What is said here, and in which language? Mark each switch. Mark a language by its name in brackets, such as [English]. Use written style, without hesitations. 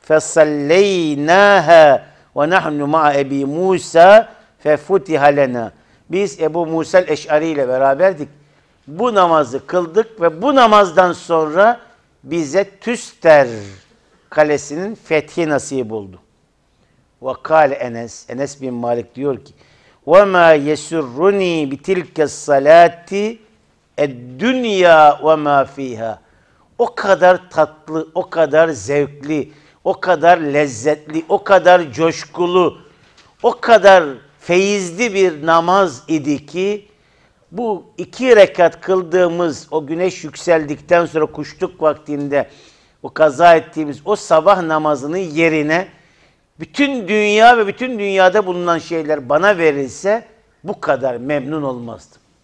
[Arabic] فَسَلَّيْنَاهَا وَنَحْنُ مَعَ اَب۪ي مُوسَى فَفُتِحَ لَنَا. [Turkish] Biz Ebu Musa el-Eş'ari ile beraberdik. Bu namazı kıldık ve bu namazdan sonra bize Tüster kalesinin fethi nasip oldu. [Arabic] وَقَالَ [Turkish] Enes, Enes bin Malik diyor ki, [Arabic] وَمَا يَسُرُّنِي بِتِلْكَ الصَّلَاتِ الدُّنْيَا وَمَا فِيهَا. [Turkish] O kadar tatlı, o kadar zevkli, o kadar lezzetli, o kadar coşkulu, o kadar feyizli bir namaz idi ki, bu iki rekat kıldığımız, o güneş yükseldikten sonra kuşluk vaktinde o kaza ettiğimiz o sabah namazının yerine bütün dünya ve bütün dünyada bulunan şeyler bana verilse bu kadar memnun olmazdım.